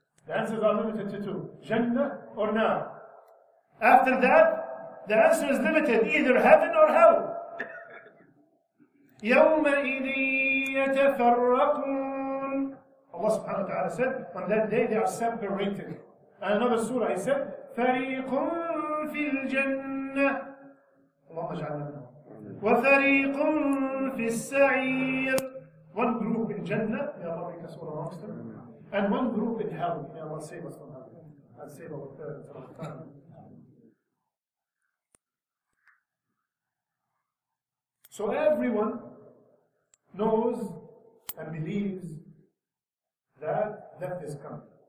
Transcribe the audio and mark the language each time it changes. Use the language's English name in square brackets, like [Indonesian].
[English] The answers are limited to two, Jannah or Na. After that, the answer is limited, either heaven or hell. [Arabic] يَوْمَئِذِي يَتَفَرَّقُونَ [English] Allah subhanahu wa ta'ala said, on that day they are separated. And another surah, he said, [Arabic] فَرِيقٌ فِي الْجَنَّةِ [English] Allah [Arabic] اجعلنا منهم. وَفَرِيقٌ فِي السَّعِيرِ [English] One group in Jannah, [Arabic] يَا رَبِّي [English] make us all amongst them. And one group in hell, may Allah save us from hell. And save our parents from hell. So everyone knows and believes that death is coming.